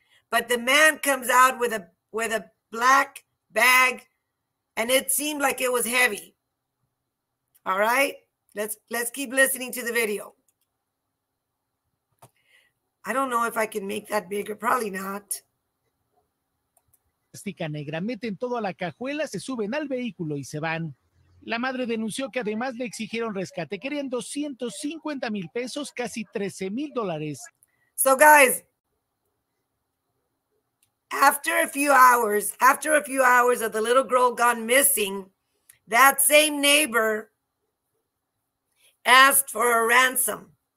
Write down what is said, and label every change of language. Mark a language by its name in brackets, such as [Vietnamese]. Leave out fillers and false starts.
[English] But the man comes out with a black bag, and it seemed like it was heavy. All right, let's keep listening to the video. I don't know if I can make that bigger, probably not. [Spanish] plástica negra, meten todo a la cajuela, se suben al vehículo y se van. La madre denunció que además le exigieron rescate. Querían 250 mil pesos, casi 13 mil dólares. [English] So guys, after a few hours of the little girl gone missing, that same neighbor asked for a ransom.